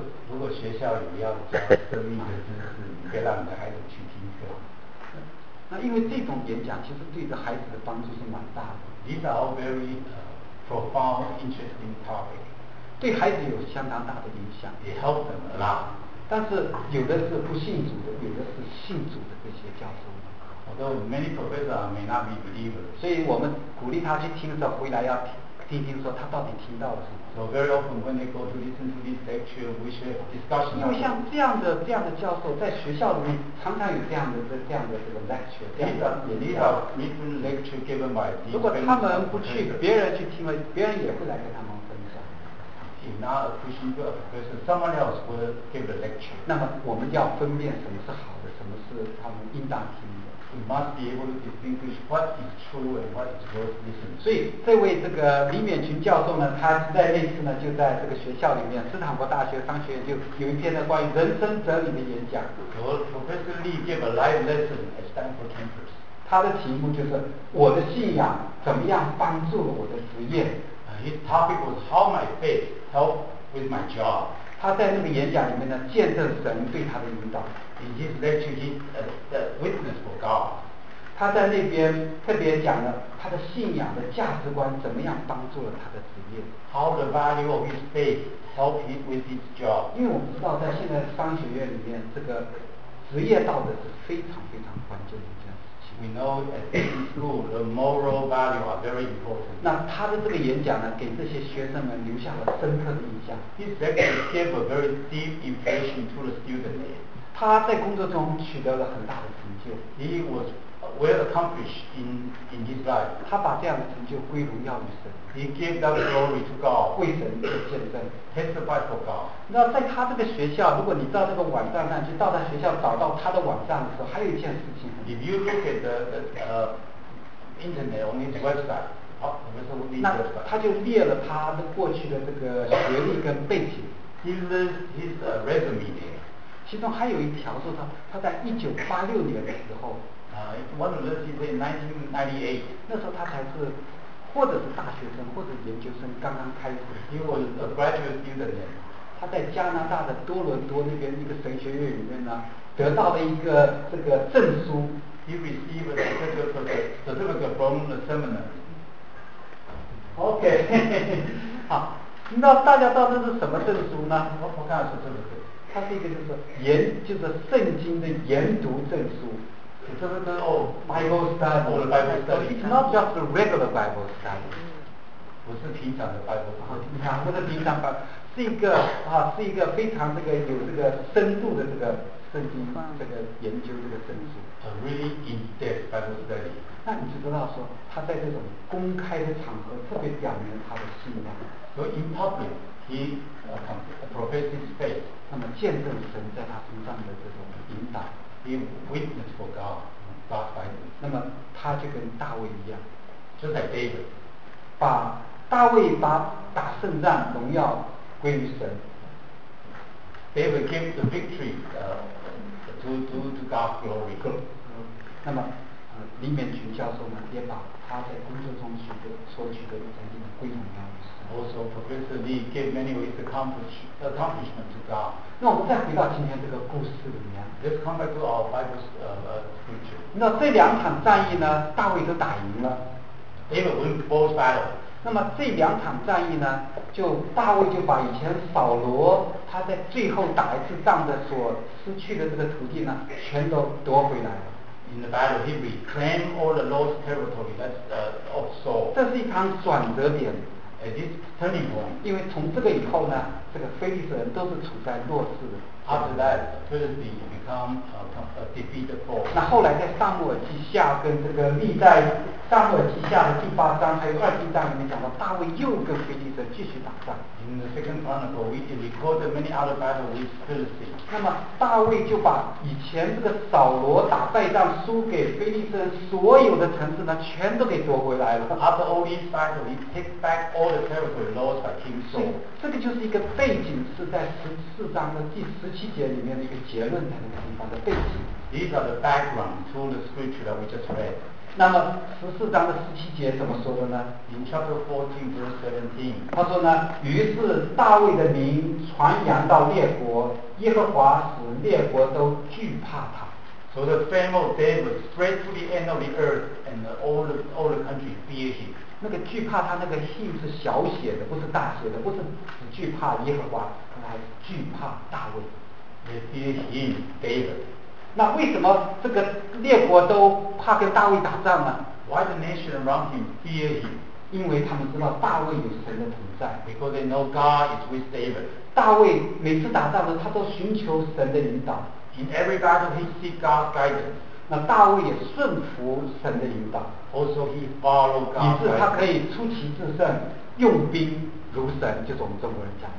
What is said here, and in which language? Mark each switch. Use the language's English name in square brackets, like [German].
[Chinese] 如果学校有要教生命的知识，别让你的孩子去听课。那因为这种演讲其实对这孩子的帮助是蛮大的。 [English] These are all very profound, interesting topic. [Chinese] 对孩子有相当大的影响。 [English] It helps them a lot. [Chinese] 但是有的是不信主的，有的是信主的这些教授。 [English] Although many professors may not be believers. [Chinese] 所以我们鼓励他去听的时候，回来要听听说他到底听到了什么。 [English] So very often when they go to listen to this lecture, we should discussion. [Chinese] 因为像这样的教授在学校里面常常有这样的这个 lecture. [English] These are written lecture given by these. [Chinese] 如果他们不去，别人去听了，别人也会来跟他们分享。 [English] If not a Christian group, because someone else will give a lecture. [Chinese] 那么我们要分辨什么是好的，什么是他们应当听的。 [English] We must be able to distinguish what is true and what is worth listening. [Chinese] 所以这位这个李勉群教授呢，他在那次呢就在这个学校里面，斯坦福大学商学院就有一篇呢关于人生哲理的演讲。 [English] Professor Lee gave a live lesson at Stanford campus. [Chinese] 他的题目就是我的信仰怎么样帮助了我的职业。 [English] His topic was how my faith helped with my job. [Chinese] 他在那个演讲里面呢，见证神对他的引导。 [English] In his lecture, he witnessed for God. [Chinese] 他在那边特别讲了他的信仰的价值观怎么样帮助了他的职业。 [English] How the value of his faith helped him with his job. [Chinese] 因为我们知道在现在商学院里面，这个职业道德是非常非常关键的一件事情。 [English] We know at this school the moral value are very important. [Chinese] 那他的这个演讲呢，给这些学生们留下了深刻的印象。 [English] His lecture gave a very deep impression to the students. [Chinese] 他在工作中取得了很大的成就。 [English] He was well accomplished in his life. [Chinese] 他把这样的成就归荣耀于神。 [English] He gave that glory to God. [Chinese] 为神做见证。 [English] Testify for God. [Chinese] 那在他这个学校，如果你到这个网站上去，到他学校找到他的网站的时候，还有一件事情。 [English] If you look at the internet on his website, [Chinese] 好，我们说那他就列了他的过去的这个学历跟背景。 [English] His resume there. [Chinese] 其中还有一条说他在1986年的时候 1998 那时候他才是或者是大学生或者研究生刚刚开始。 [English] He was a graduate student. [Chinese] 他在加拿大的多伦多那边一个神学院里面呢得到了一个这个证书。 [English] He received a certificate from the seminar. [Chinese] OK 好，那大家知道这是什么证书呢？我看是这个它是一个就是圣经的研读证书。这个是Bible study。 [English] Oh, Bible study. It's not just a regular Bible study. [Chinese] 不是平常的 Bible study. 不是平常的 Bible study. 是一个非常这个有这个深度的这个圣经这个研究这个证书。 [English] A really in-depth Bible study. [Chinese] 那你就知道说他在这种公开的场合特别表明他的信仰。 [English] So in public, he professed his faith. [Chinese] 那么见证神在他身上的这种引导 [English] He witnessed for God, God's guidance. [Chinese] 那么他就跟大卫一样 [English] Just like David [Chinese] 把大卫把打胜仗荣耀归于神 [English] David gave the victory to God's glory. [Chinese] 那么李勉群教授呢也把他在工作中所取得的成绩归荣耀于神。 [English] Also, Professor Lee gave many of his accomplishments to God. [Chinese] 那我们再回到今天这个故事里面。 [English] Let's come back to our Bible scripture. [Chinese] 那这两场战役呢，大卫都打赢了。 [English] David won both battles. [Chinese] 那么这两场战役呢，就大卫就把以前扫罗他在最后打一次仗的所失去的这个土地呢，全都夺回来了。 [English] In the battle, he reclaimed all the lost territory that's of Saul. [Chinese] 这是一场转折点。 [English] At this turning point, [Chinese] 因为从这个以后呢，这个非利士人都是处在弱势的。 [English] After that, Philistine become a defeated force. [Chinese] 那后来在撒母耳记下跟这个历代撒母耳记下的第八章还有二十一章里面讲到，大卫又跟非利士人继续打仗。 [English] In the second chronicle, we record many other battles with Philistine. [Chinese] 那么大卫就把以前这个扫罗打败仗输给非利士人所有的城市呢，全都给夺回来了。 [English] After all these battles, he take back all the territory lost by King Saul. [Chinese] 这个就是一个背景，是在14章的第17节里面的一个结论，在那个地方的背景。 [English] These are the background to the scripture that we just read. [Chinese] 那么14章的17节怎么说的呢 [English] ？In chapter 14, verse 17, [Chinese] 他说呢，于是大卫的名传扬到列国，耶和华使列国都惧怕他。 [English] So the fame of David spread to the end of the earth, and all the countries fear him. [Chinese] 那个惧怕他那个 him 是小写的，不是大写的，不是只惧怕耶和华。来惧怕大卫 [English] They fear him, David. [Chinese] 那为什么这个列国都怕跟大卫打仗呢 [English] Why the nation around him fear him? [Chinese] 因为他们知道大卫有神的同在。 [English] Because they know God is with David. [Chinese] 大卫每次打仗呢，他都寻求神的引导。 [English] In every battle, he seeks God's guidance. [Chinese] 那大卫也顺服神的引导。 [English] Also, he follows God. [Chinese] 以致他可以出奇制胜，用兵如神，就是我们中国人讲。